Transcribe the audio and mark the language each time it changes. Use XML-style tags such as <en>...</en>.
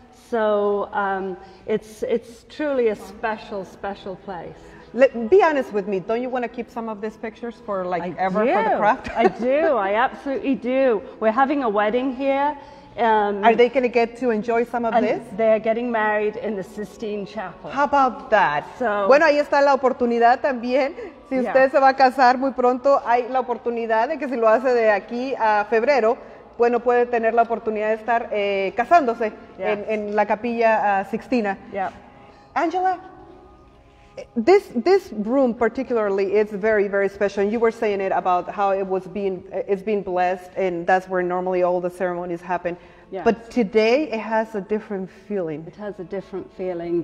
<en>So it's truly a special, special place. Be honest with me, don't you want to keep some of these pictures for like ever for the craft? I do, I absolutely do. We're having a wedding here. Are they going to get to enjoy some of this? They are getting married in the Sistine Chapel. How about that? So,</en> <es>bueno, ahí está la oportunidad también. Si usted se va a casar muy pronto, hay la oportunidad de que si lo hace de aquí a febrero, bueno, puede tener la oportunidad de estar casándose en la Capilla Sixtina.</es> <en>Yeah. Angela, this room particularly is very, very special. And you were saying it about how it's being blessed, and that's where normally all the ceremonies happen. Yes. But today it has a different feeling. It has a different feeling.</en>